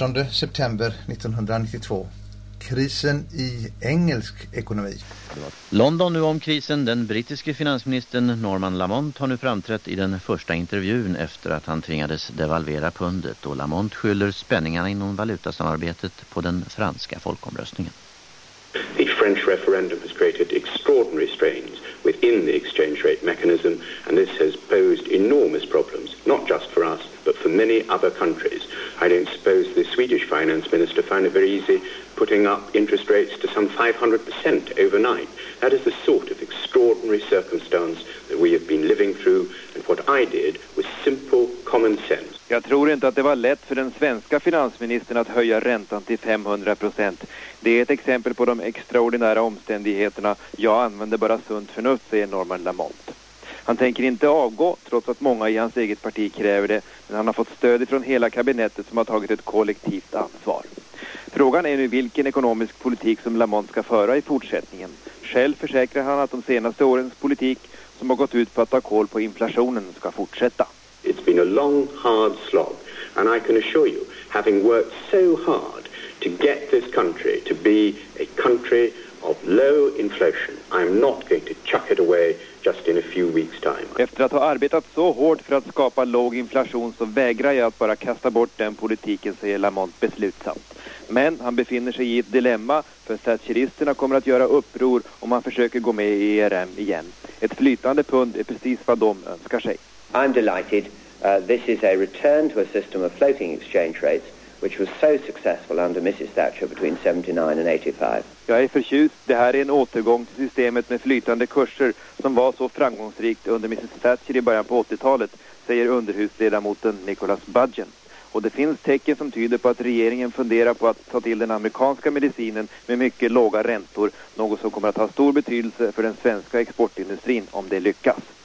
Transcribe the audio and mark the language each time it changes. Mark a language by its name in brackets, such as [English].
[Swedish] September 1992. Krisen i engelsk ekonomi. London nu om krisen. Den brittiske finansministern Norman Lamont har nu framträtt i den första intervjun efter att han tvingades devalvera pundet. Och Lamont skyller spänningarna inom valutasamarbetet på den franska folkomröstningen. [English] The French referendum has created extraordinary strains within the exchange rate mechanism, and this has posed enormous problems, not just for us, but for many other countries. I don't suppose the Swedish finance minister found it very easy putting up interest rates to some 500% overnight. That is the sort of extraordinary circumstance that we have been living through, and what I did was simple common sense. [Swedish] Jag tror inte att det var lätt för den svenska finansministern att höja räntan till 500%. Det är ett exempel på de extraordinära omständigheterna. Jag använder bara sunt förnuft, säger Norman Lamont. Han tänker inte avgå, trots att många i hans eget parti kräver det. Men han har fått stöd från hela kabinettet som har tagit ett kollektivt ansvar. Frågan är nu vilken ekonomisk politik som Lamont ska föra i fortsättningen. Själv försäkrar han att de senaste årens politik, som har gått ut på att ta koll på inflationen, ska fortsätta. [English] It's been a long, hard slog. And I can assure you, having worked so hard to get this country to be a country of low inflation, I'm not going to chuck it away just in a few weeks' time. [Swedish] Efter att ha arbetat så hårt för att skapa låg inflation så vägrar jag att bara kasta bort den politiken, säger Lamont beslutsamt. Men han befinner sig i ett dilemma, för thatcheristerna kommer att göra uppror om man försöker gå med i ERM igen. Ett flytande pund är precis vad de önskar sig. [English] I'm delighted. This is a return to a system of floating exchange rates, which was so successful under Mrs. Thatcher between 79 and 85. [Swedish] Jag är förtjust. Det här är en återgång till systemet med flytande kurser som var så framgångsrikt under Mrs. Thatcher i början på 80-talet, säger underhusledamoten Nicholas Budgen. Och det finns tecken som tyder på att regeringen funderar på att ta till den amerikanska medicinen med mycket låga räntor, något som kommer att ha stor betydelse för den svenska exportindustrin om det lyckas.